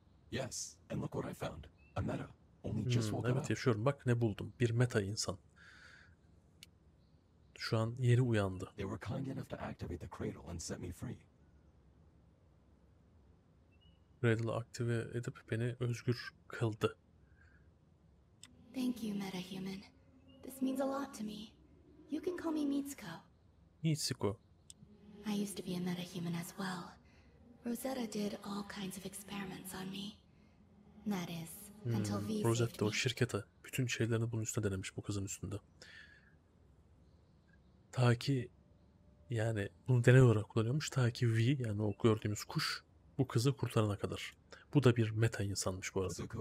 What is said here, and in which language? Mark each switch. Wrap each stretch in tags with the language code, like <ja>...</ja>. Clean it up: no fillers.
<en>Yes, and look what I found. A meta.</en> <tr>Evet yaşıyorum. Bak ne buldum. Bir meta insan. Şu an yeni uyandı.</tr> <en>They were kind enough to activate the cradle and set me free.</en> <tr>Cradle aktive edip beni özgür kıldı.</tr> <en>Thank you, meta human. This means a lot to me. You can call me Mitsuko. Mitsuko. I used to be a meta human as well. Rosetta did all kinds of experiments on me. That is.</en> <tr>Rosetta o şirkete bütün şeylerini bunun üstüne denemiş bu kızın üstünde. Ta ki yani bunu deney olarak kullanıyormuş ta ki V yani o gördüğümüz kuş bu kızı kurtarana kadar. Bu da bir meta insanmış bu arada.</tr>